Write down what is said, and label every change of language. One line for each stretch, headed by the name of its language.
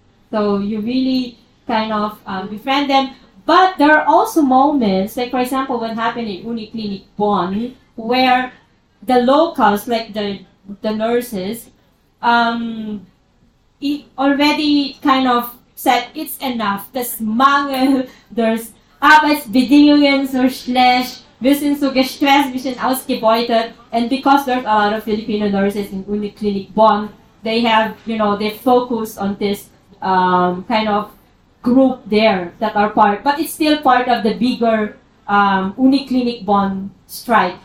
English: So you really kind of befriend them. But there are also moments, like for example, what happened in Uniclinic Bonn, where the locals, like the nurses, it already kind of said it's enough. There's
German: mangel,
English: there's
German: Arbeitsbedingungen so schlecht, wir sind so gestresst, wir sind ausgebeutet.
English: And because there's a lot of Filipino nurses in Uniclinic Bonn, they have, you know, they focus on this kind of group there that are part, but it's still part of the bigger Uniclinic Bonn strike.